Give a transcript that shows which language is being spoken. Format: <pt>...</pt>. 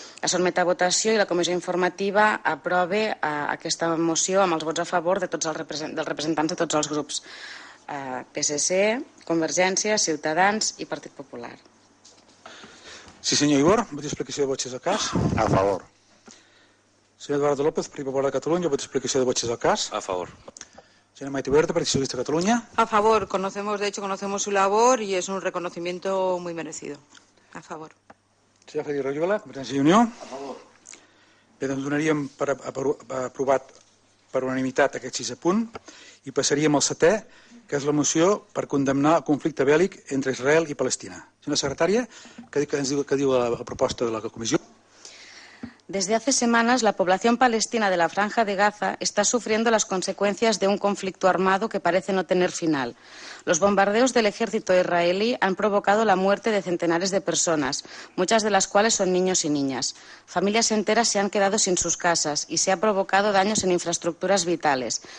<ca>Es sotmet a votació i la comissió informativa aprova aquesta moció amb els vots a favor de tots els representants de tots els grups. PSC, Convergència, Ciutadans i Partit Popular. Sí, senyor Ibor, vot d'explicació de vots és el cas. A favor. Senyor Eduardo López, Partit Popular de Catalunya, vot d'explicació de vots és el cas. A favor. Senyora Maite Huerta, Partit Socialista de Catalunya. A favor.</ca> <es>Conocemos, de hecho, conocemos su labor y es un reconocimiento muy merecido.</es> <ca>A favor. Senyor Freddy Rayola, Convergència i Unió. A favor. Bé, doncs donaríem per aprovat per unanimitat aquest 6 a punt i passaríem al 7è, que és la moció per condemnar el conflicte bèl·lic entre Israel i Palestina. Senyora secretària, què diu la proposta de la comissió?</ca> <es>Desde hace semanas, la población palestina de la Franja de Gaza está sufriendo las consecuencias de un conflicto armado que parece no tener final. Los bombardeos del ejército israelí han provocado la muerte de centenares de personas, muchas de las cuales son niños y niñas. Familias enteras se han quedado sin sus casas y se ha provocado daños en infraestructuras vitales.</es>